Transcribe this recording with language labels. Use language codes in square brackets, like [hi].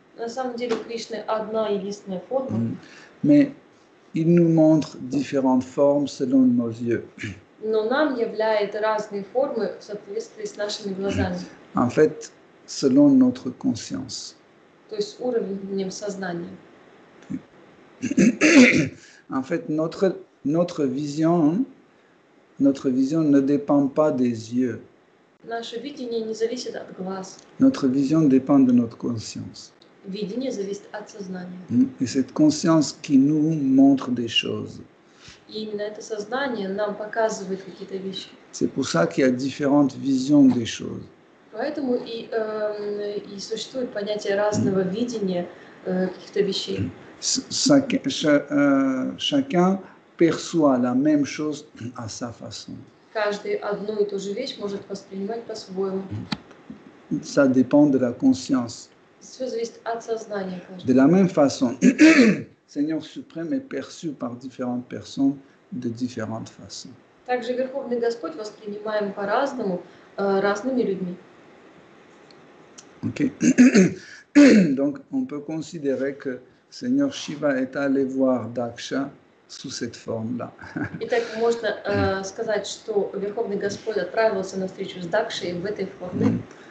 [ru] На самом деле, Кришна одна единственная форма. [fr] Mais il nous montre différentes formes selon nos yeux. [ru] Но нам являет разные формы в соответствии с нашими глазами. [fr] En fait, selon notre conscience. [ru] То есть уровнем сознания. [fr] En fait, notre vision ne dépend pas des yeux. [ru] Наше видение не зависит от глаз. [fr] Notre vision dépend de notre conscience. [ru] Видение зависит от сознания. [fr] Et cette conscience qui nous montre des choses. [ru] И именно это сознание нам показывает какие-то вещи. [fr] C'est pour ça qu'il y a différentes visions des choses. [ru] Поэтому и существует понятие разного видения каких-то вещей. [fr] chacun perçoit la même chose à sa façon. [ru] Каждый одну и ту же вещь может воспринимать по-своему. [fr] Ça dépend de la conscience. [ru] Все зависит от сознания. [fr] De la même façon, Seigneur Suprême est perçu par différentes personnes de différentes façons. [ru] Также Верховный Господь воспринимаем по-разному, разными людьми. [fr] Ok. Donc, on peut considérer que Seigneur Shiva est allé voir Daksha sous cette forme-là. [ru] Итак, можно сказать, что Верховный Господь отправился на встречу с Дакшей в этой форме.